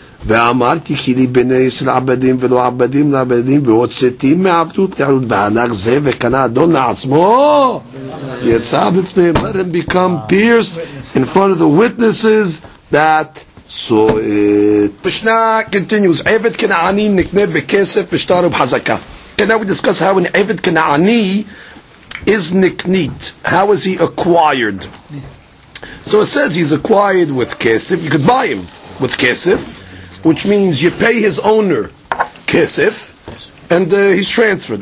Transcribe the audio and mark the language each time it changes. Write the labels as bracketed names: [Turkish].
[Hebrew] ואמרתי כי לי בני ישראל עבדים ולא עבדים לעבדים והוצאתי מעבדות לערות והלך זה וקנה אדון לעצמו יצא בפניהם. [English] Let him become pierced in front of the witnesses that saw it. Mishnah continues. [Hebrew] עבד כנעני נקנה בכסף ושטר ובחזקה. [English] And now we discuss how an עבד כנעני is נקנית. How is he acquired? So it says he's acquired with כסף. You could buy him with כסף, which means you pay his owner kesef, and he's transferred.